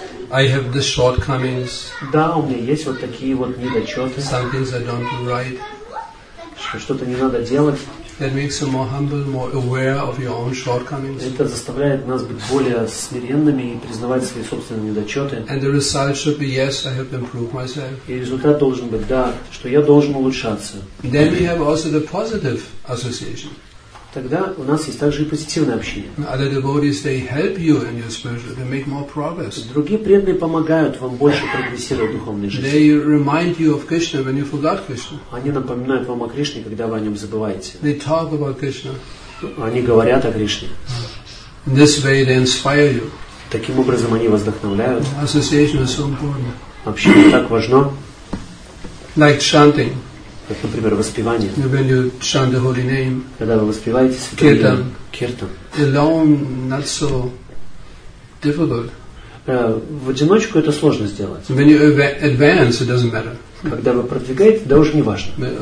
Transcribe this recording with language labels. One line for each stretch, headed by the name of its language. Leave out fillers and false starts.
English: I have the shortcomings.
Russian: Да, у меня есть вот такие вот недочеты.
English: Some things I don't do right.
Russian: Что-то не надо делать.
English: That makes you more humble, more aware of your own shortcomings.
Russian: Это заставляет нас быть более смиренными и признавать свои собственные недочеты.
English: And the result should be yes, I have improved myself.
Russian: И результат должен быть да, что я должен улучшаться.
English: Then we have also the positive association.
Russian: Тогда у нас есть также и позитивное общение.
English: Other devotees, they help you in your spiritual, they make more progress.
Russian: Другие преданные помогают вам больше прогрессировать в духовной жизни.
English: They remind you of Krishna when you forgot Krishna.
Russian: Они напоминают вам о Кришне, когда вы о нем забываете.
English: They talk about Krishna.
Russian: Они говорят о Кришне.
English: In this way, they inspire you.
Russian: Таким образом, они вас вдохновляют.
English: Association is so important.
Russian: Общение так важно.
English: Like chanting.
Russian: Как, например, воспевание.
English: When you chant the holy name,
Russian: когда вы воспеваете святое имя,
English: киртан. Alone, not so difficult.
Russian: В одиночку это сложно сделать.
English: When you advance, it doesn't matter.
Russian: Когда вы продвигаете, да уже не важно.